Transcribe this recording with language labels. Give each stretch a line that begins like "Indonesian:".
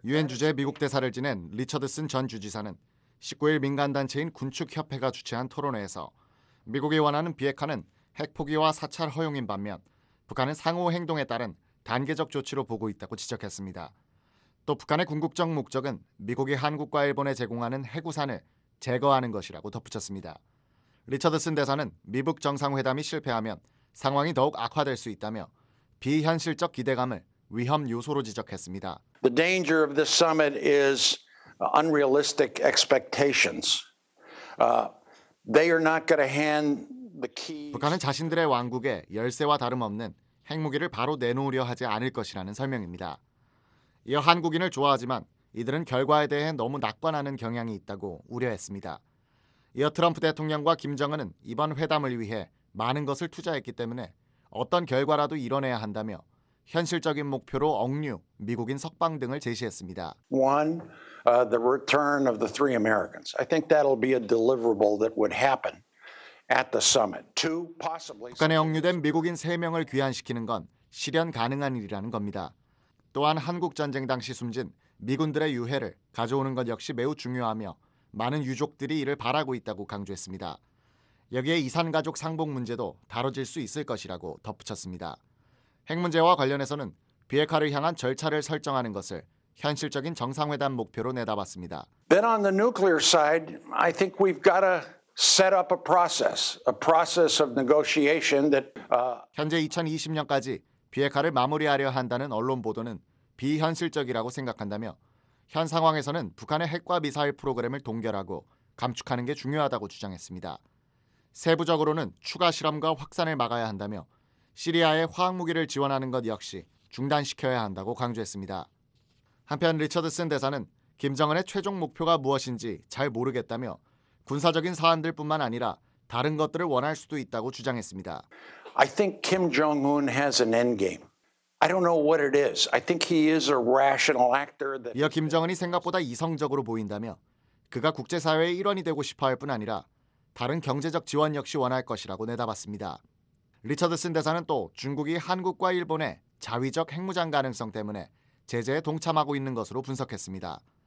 Korean: 유엔 주재 미국 대사를 지낸 리처드슨 전 주지사는 19일 민간단체인 군축협회가 주최한 토론회에서 미국이 원하는 비핵화는 핵포기와 사찰 허용인 반면 북한은 상호 행동에 따른 단계적 조치로 보고 있다고 지적했습니다. 또 북한의 궁극적 목적은 미국이 한국과 일본에 제공하는 핵우산을 제거하는 것이라고 덧붙였습니다. 리처드슨 대사는 미북 정상회담이 실패하면 상황이 더욱 악화될 수 있다며 비현실적 기대감을 위험 요소로 지적했습니다.
English: The danger of this summit is unrealistic expectations. They are not going to hand the key.
Korean: 북한은 자신들의 왕국에 열쇠와 다름없는 핵무기를 바로 내놓으려 하지 않을 것이라는 설명입니다. 이어 한국인을 좋아하지만 이들은 결과에 대해 너무 낙관하는 경향이 있다고 우려했습니다. 이어 트럼프 대통령과 김정은은 이번 회담을 위해 많은 것을 투자했기 때문에 어떤 결과라도 이뤄내야 한다며 현실적인 목표로 억류, 미국인 석방 등을 제시했습니다.
English: One, the return of the three Americans. I think that'll be a deliverable that would happen at the summit. Two, possibly.
Korean: 북한에 억류된 미국인 세 명을 귀환시키는 건 실현 가능한 일이라는 겁니다. 또한 한국 전쟁 당시 숨진 미군들의 유해를 가져오는 것 역시 매우 중요하며 많은 유족들이 이를 바라고 있다고 강조했습니다. 여기에 이산가족 상봉 문제도 다뤄질 수 있을 것이라고 덧붙였습니다. 핵 문제와 관련해서는 비핵화를 향한 절차를 설정하는 것을 현실적인 정상회담 목표로 내다봤습니다.
English: Then on the nuclear side, I think we've got to set up a process of negotiation that
Korean: 현재 2020년까지 비핵화를 마무리하려 한다는 언론 보도는 비현실적이라고 생각한다며 현 상황에서는 북한의 핵과 미사일 프로그램을 동결하고 감축하는 게 중요하다고 주장했습니다. 세부적으로는 추가 실험과 확산을 막아야 한다며 시리아에 화학무기를 지원하는 것 역시 중단시켜야 한다고 강조했습니다. 한편 리처드슨 대사는 김정은의 최종 목표가 무엇인지 잘 모르겠다며 군사적인 사안들 뿐만 아니라 다른 것들을 원할 수도 있다고 주장했습니다.
English: I think Kim Jong-un has an endgame. I don't know what it is. I think he is a rational actor.
Korean: 이어 김정은이 생각보다 이성적으로 보인다며 그가 국제사회의 일원이 되고 싶어 할 뿐 아니라 다른 경제적 지원 역시 원할 것이라고 내다봤습니다. 리처드슨 대사는 또 중국이 한국과 일본의 자위적 핵무장 가능성 때문에 제재에 동참하고 있는 것으로 분석했습니다.